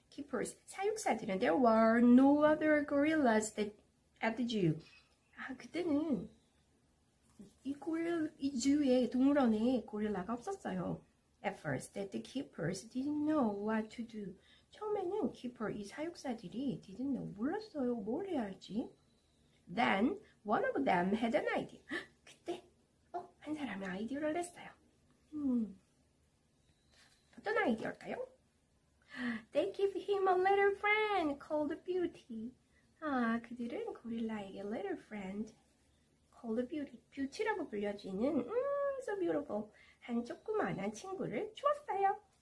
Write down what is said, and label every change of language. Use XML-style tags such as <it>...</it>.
<ko>사육사들은</ko> <en>there were no other gorillas that at the zoo.</en> <ko>그때는 이 zoo에 동물원에 고릴라가 없었어요.</ko> <en>At first, that the keepers didn't know what to do.</en> <ko>처음에는 keeper 이 사육사들이</ko> <en>didn't know</en> <ko>몰랐어요. 뭘 해야 할지.</ko> <en>Then one of them had an idea.</en> <ko>그때 한 사람이 아이디어를 냈어요. 어떤 아이디어일까요?</ko> <en>They give him a little friend called Beauty.</en> <ko>그들은 고릴라에게</ko> <en>little friend called Beauty.</en> <ko>Beauty라고 불려지는</ko> <en>so beautiful</en> <ko>한 조그만한 친구를 주었어요.</ko>